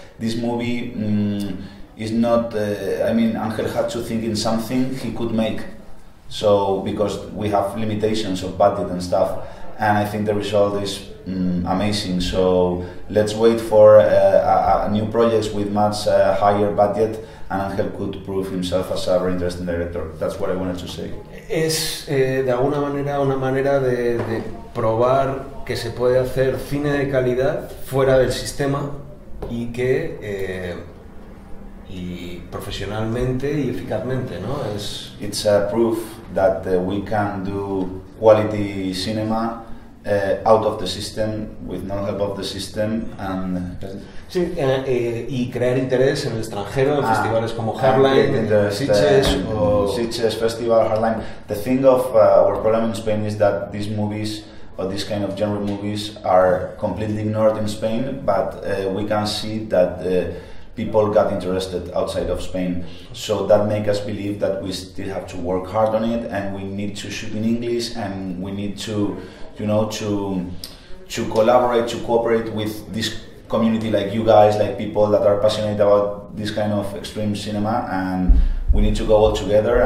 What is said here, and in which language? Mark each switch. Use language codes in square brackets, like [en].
[en] This movie is not. Ángel had to think in something he could make. So, because we have limitations of budget and stuff, and I think the result is amazing. So let's wait for new projects with much higher budget, and Ángel could prove himself as a very interesting director. That's what I wanted to say. [es] Es de alguna manera una manera de probar que se puede hacer cine de calidad fuera del sistema y que y profesionalmente y eficazmente, ¿no? [en] It's a proof that we can do quality cinema out of the system, with no help of the system, and [es] sí, y crear interés en el extranjero, en festivales como Hardline, Sitges Festival, Hardline. [en] The thing of our problem in Spain is that these movies, or this kind of genre movies, are completely ignored in Spain, but we can see that people got interested outside of Spain, so that makes us believe that we still have to work hard on it, and we need to shoot in English, and we need to, you know, to collaborate, to cooperate with this community, like you guys, like people that are passionate about this kind of extreme cinema, and we need to go all together.